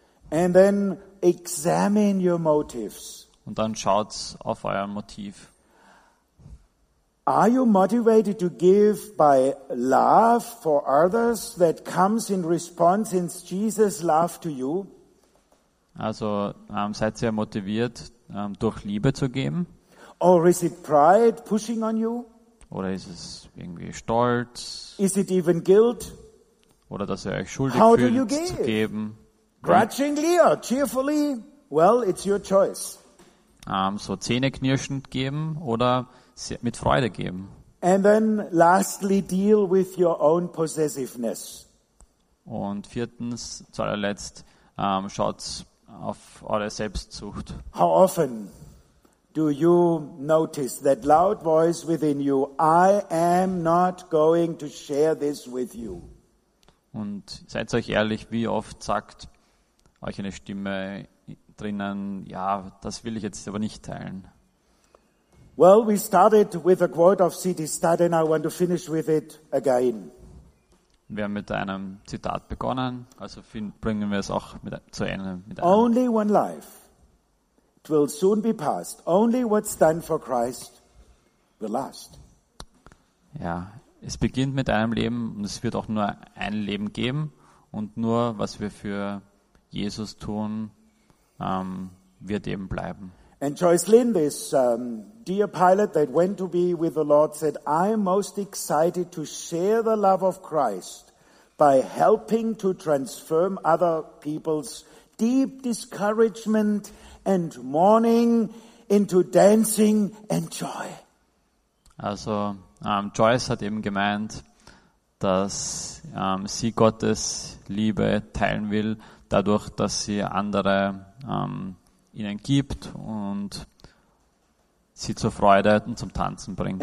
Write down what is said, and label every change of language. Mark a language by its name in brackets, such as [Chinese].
[English] And then examine your motives. [German] Und dann schaut's auf euer Motiv. [English] Are you motivated to give by love for others that comes in response in Jesus' love to you? [German] Also, seid ihr motiviert, durch Liebe zu geben? [English] Or is it pride pushing on you? [German] Oder ist es irgendwie Stolz? [English] Is it even guilt? [German] Oder dass ihr euch schuldig fühlt, zu geben? [English] Grudgingly or cheerfully? Well, it's your choice. [German] So zähneknirschend geben oder mit Freude geben. [English] And then lastly, deal with your own possessiveness. [German] Und viertens, zu allerletzt, schaut auf eure Selbstsucht. [English] How often do you notice that loud voice within you, I am not going to share this with you? [German] Und seid euch ehrlich, wie oft sagt euch eine Stimme drinnen, ja, das will ich jetzt aber nicht teilen. [English] Well, we started with a quote of C.D. Studd and I want to finish with it again. [German] Wir haben mit einem Zitat begonnen, also bringen wir es auch zu Ende. [English] Only one life. It will soon be passed. Only what's done for Christ will last. [German] Ja, es beginnt mit einem Leben und es wird auch nur ein Leben geben und nur, was wir für Jesus tun, wird eben bleiben. [English] And Joyce Lynn, this dear pilot that went to be with the Lord, said, I am most excited to share the love of Christ by helping to transform other people's deep discouragement and mourning into dancing and joy. [German] Also, Joyce hat eben gemeint, dass sie Gottes Liebe teilen will, dadurch, dass sie andere ihnen gibt und sie zur Freude und zum Tanzen bringt.